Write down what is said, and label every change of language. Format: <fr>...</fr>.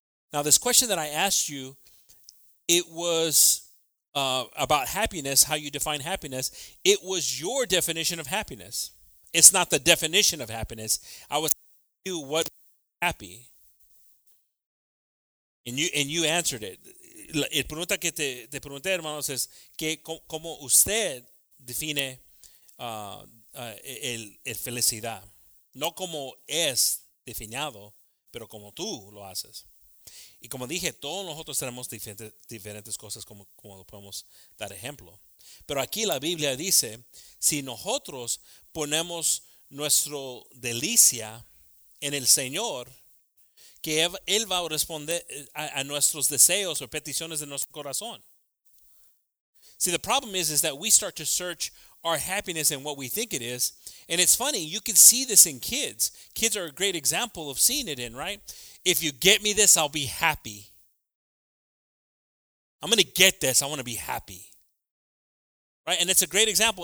<en>Now, this question that I asked you, it was about happiness, how you define happiness. It was your definition of happiness. It's not the definition of happiness. I was what happy, and you answered it.</en> <es>El pregunta que te pregunté, hermanos, es que cómo usted define el felicidad, no como es definido, pero como tú lo haces. Y como dije, todos nosotros tenemos diferentes cosas como lo podemos dar ejemplo. Pero aquí la Biblia dice, si nosotros ponemos nuestro delicia en el Señor, que Él va a responder a nuestros deseos o peticiones de nuestro corazón.</es> <en>See, the problem is that we start to search our happiness in what we think it is. And it's funny, you can see this in kids. Kids are a great example of seeing it in, right? If you get me this, I'll be happy. I'm going to get this. I want to be happy. Right? And it's a great example.</en>